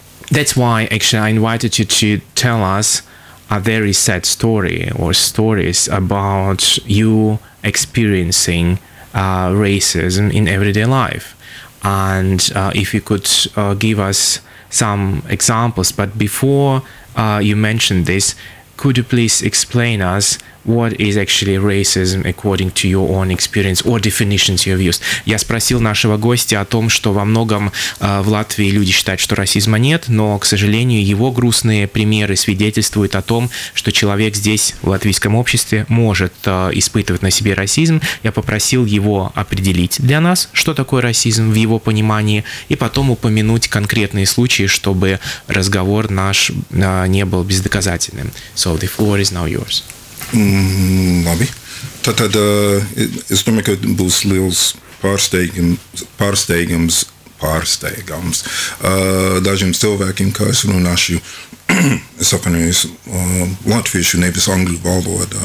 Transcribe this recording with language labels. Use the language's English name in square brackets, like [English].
[English] That's why, actually, I invited you to tell us a very sad story or stories about you experiencing racism in everyday life. And if you could give us some examples. But before you mention this, could you please explain us what is actually racism according to your own experience or definitions you have used? [Russian] Я спросил нашего гостя о том, что во многом в Латвии люди считают, что расизма нет, но, к сожалению, его грустные примеры свидетельствуют о том, что человек здесь, в латвийском обществе, может испытывать на себе расизм. Я попросил его определить для нас, что такое расизм в его понимании, и потом упомянуть конкретные случаи, чтобы разговор наш не был бездоказательным. [English] So the floor is now yours. [Latvian] Labi. Tad es domāju, ka būs liels pārsteigums dažiem cilvēkiem, kā es runāšu, es apvienojos latviešu, nevis angļu valodā.